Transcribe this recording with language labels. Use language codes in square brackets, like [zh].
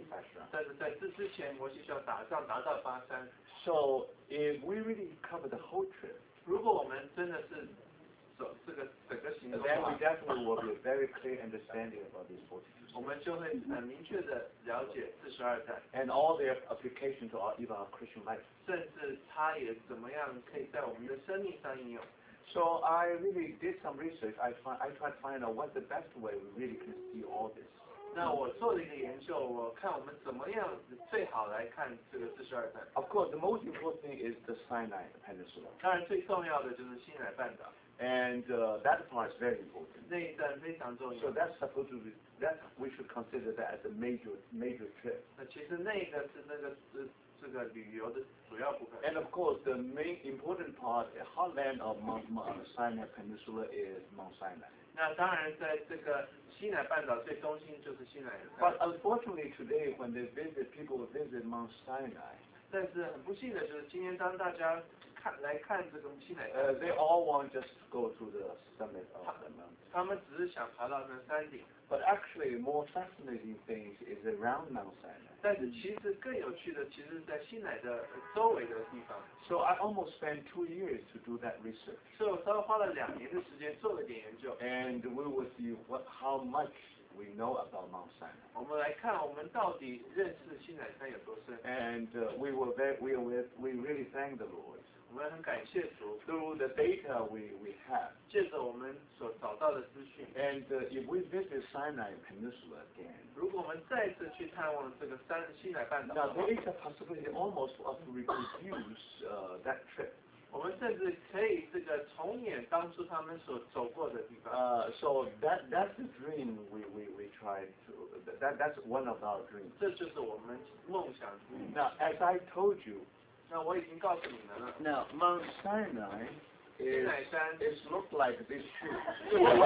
[en] Fight the bar. Yeah, fight the bar. All the way to Bashan. So if we really cover the whole trip, [zh] 如果我们真的是走这个整个行程的话 [en] then we definitely will be a very clear understanding about these 42. [zh] 我们就会很明确的了解四十二站 [en] and all their application to our, even our Christian life. [zh] 甚至它也怎么样可以在我们的生命上应用。 [en] So I really did some research. I tried to find out what's the best way we really can see all this. [zh] 那我做了一个研究，我看我们怎么样最好来看这个四十二站。 [en] Of course, the most important thing is the Sinai Peninsula. [zh] 当然，最重要的就是西乃半岛。 [en] And that part is very important. [zh] 那一段非常重要。 [en] So that's supposed to be that we should consider that as a major trip. [zh] 那其实那个是那个是。这个旅游的主要部分。 [en] And of course, the main important part, the heartland of Mount Sinai Peninsula is Mount Sinai. [zh] 那当然，在这个西乃半岛最中心就是西乃。 [en] But unfortunately, today when they visit, people visit Mount Sinai. [zh] 但是很不幸的就是，今天当大家看来看这个西乃。 [en] They all want just go to the summit of the mountain. [zh] 他们只是想爬到那山顶。 [en] But actually, more fascinating things is around Mount Sinai. [zh] 但是其实更有趣的，其实是在西乃的周围的地方。 [en] So I almost spent 2 years to do that research. [zh] 所以我稍微花了两年的时间做了点研究。 [en] And we will see how much we know about Mount Sinai. [zh] 我们来看我们到底认识西乃山有多深。 [en] And we really thank the Lord. [zh] 我们很感谢主。 [en] Through the data we have. [zh] 借着我们所找到的资讯。 [en] And if we visit Sinai Peninsula again. [zh] 如果我们再次去探望这个西乃半岛。 [en] Now there is a possibility almost for us to reproduce that trip. [zh] 我们甚至可以这个重演当初他们所走过的地方。 [en] So that's the dream we try to, that's one of our dreams. [zh] 这就是我们梦想。 [en] Now as I told you, [zh] 那我已经告诉你们了。 [en] Now Mount Sinai is look like this shoe.